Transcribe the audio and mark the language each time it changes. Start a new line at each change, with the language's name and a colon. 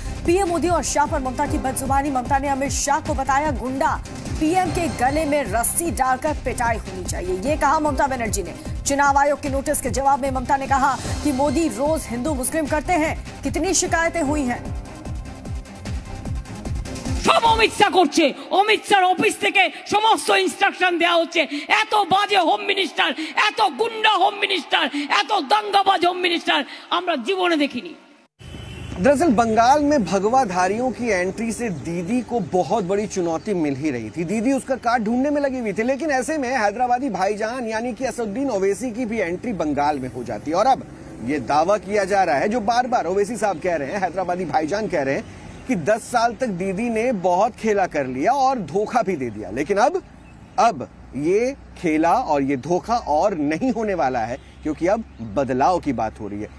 Hindi: PM Modi और शाह पर ममता की बदजुबानी। ममता ने अमित शाह को बताया गुंडा, पीएम के गले में रस्सी डालकर पिटाई होनी चाहिए, ये कहा ममता बनर्जी ने। चुनाव आयोग के नोटिस के जवाब में ममता ने कहा कि मोदी रोज हिंदू मुस्लिम करते हैं, कितनी शिकायतें हुई हैं।
Bangla: সব অমিত শাহ করছে, অমিত শাহর অফিস থেকে সমস্ত ইনস্ট্রাকশন দেওয়া হচ্ছে, এত বাজে হোম মিনিস্টার, এত গুন্ডা হোম মিনিস্টার, এত দঙ্গাবাজ হোম মিনিস্টার আমরা জীবনে দেখিনি।
Hindi: दरअसल बंगाल में भगवा धारियों की एंट्री से दीदी को बहुत बड़ी चुनौती मिल ही रही थी। दीदी उसका कार्ड ढूंढने में लगी हुई थी, लेकिन ऐसे में हैदराबादी भाईजान यानी कि असदुद्दीन ओवैसी की भी एंट्री बंगाल में हो जाती। और अब ये दावा किया जा रहा है, जो बार बार ओवैसी साहब कह रहे हैं, हैदराबादी भाईजान कह रहे हैं कि 10 साल तक दीदी ने बहुत खेला कर लिया और धोखा भी दे दिया, लेकिन अब ये खेला और ये धोखा और नहीं होने वाला है, क्योंकि अब बदलाव की बात हो रही है।